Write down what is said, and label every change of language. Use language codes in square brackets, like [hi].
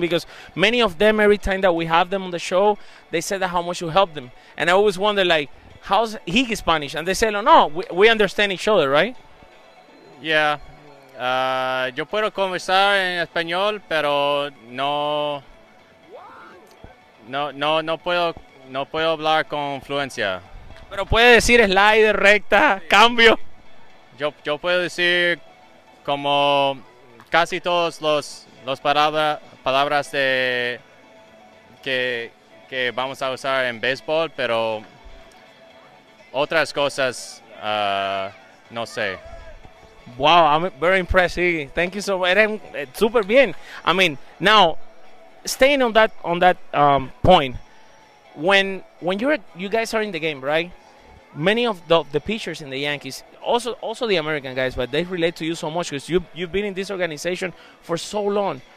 [en] Because many of them, every time that we have them on the show, they say that how much you help them. And I always wonder, like, How's he Spanish? And they say, no, we understand each other, right? Yeah. [es] Yo puedo conversar en español, pero no puedo hablar con fluencia. Pero puede decir slider, recta, sí. Cambio. Yo puedo decir como casi todos los palabras de que vamos a usar en béisbol, pero otras cosas no sé. [en] Wow, I'm very impressed. Thank you so much. [es] Super bien. [en] I mean, now staying on that point, when you guys are in the game, right? Many of the pitchers in the Yankees, also the American guys, but they relate to you so much because you've been in this organization for so long.